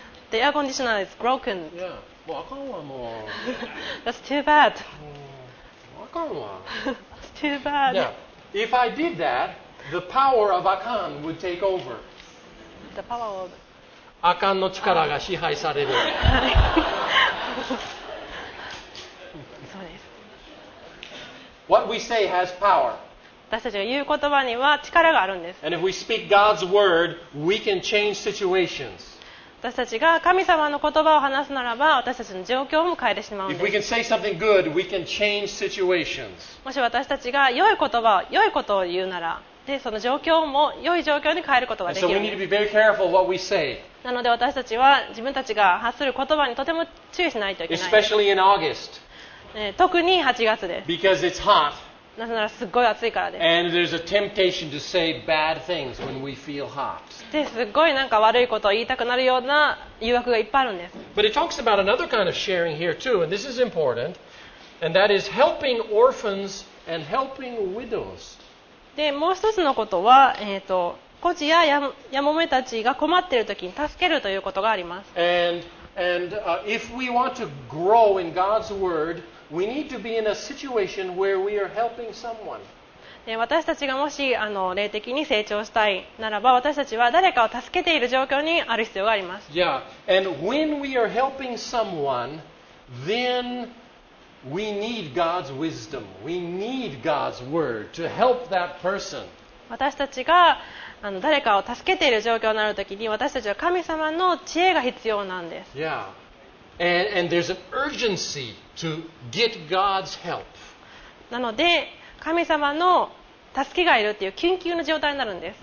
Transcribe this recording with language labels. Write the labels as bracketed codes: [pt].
[en] The air conditioner is broken. Yeah. [ja] もうあかんわもう。 [en] That's too bad. [ja] あかんわ。 [en] That's too bad. Yeah. If I did that, the power of あかん would take over. The power of [ja] あかんの力が支配される。 [en] What we say has power. [ja] 私たちが言う言葉には力があるんです。 [en] And if we speak God's word, we can change situations. [ja] 私たちが神様の言葉を話すならば、私たちの状況も変えてしまうんです。 [en] If we can say something good, we can change situations. [ja] もし私たちが良い言葉、良いことを言うなら、でその状況も良い状況に変えることができる。 [en] And so we need to be very careful what we say. [ja] なので私たちは自分たちが発する言葉にとても注意しないといけないです。 [en] Especially in August. [ja] 特に8月です。 [en] Because it's hot. [ja] なぜならすごい暑いからです。 [en] And there's a temptation to say bad things when we feel hot. [ja] ですごいなんか悪いことを言いたくなるような誘惑がいっぱいあるんです。 [en] But it talks about another kind of sharing here too, and this is important, and that is helping orphans and helping widows. [ja] でもう一つのことは、孤児やヤモメたちが困っているときに助けるということがあります。 [en] And if we want to grow in God's word, we need to be in a situation where we are helping someone. [ja] で私たちがもし霊的に成長したいならば、私たちは誰かを助けている状況にある必要があります。 [en] Yeah, and when we are helping someone, then we need God's wisdom. We need God's word to help that person. [ja] 私たちが誰かを助けている状況になるときに、私たちは神様の知恵が必要なんです。 [en] Yeah. And there's an urgency to get God's help. [ja] なので、神様の助けがいるという緊急の状態になるんです。